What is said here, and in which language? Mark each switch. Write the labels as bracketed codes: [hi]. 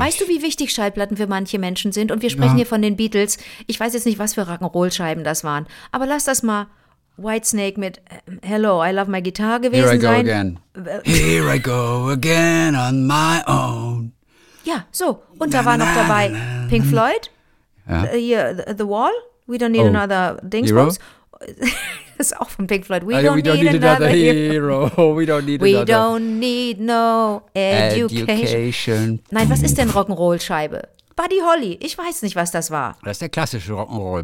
[de] Weißt du, wie wichtig Schallplatten für manche Menschen sind? Und wir sprechen hier von den Beatles. Ich weiß jetzt nicht, was für Rock'n'Roll-Scheiben das waren. Aber lass das mal. Whitesnake mit Hello, I Love My Guitar gewesen [en] Here I go [de] sein. [en] Again. Here I go again on my own. [de] Ja, so. Und da war noch dabei Pink Floyd. Ja. [en] The Wall. We don't need another Dingsbums. [de] Das ist auch von Pink Floyd. [en] We don't need another hero. We don't need no education. [de] Nein, was ist denn Rock'n'Roll-Scheibe? Buddy Holly. Ich weiß nicht, was das war. Das ist der klassische Rock'n'Roll.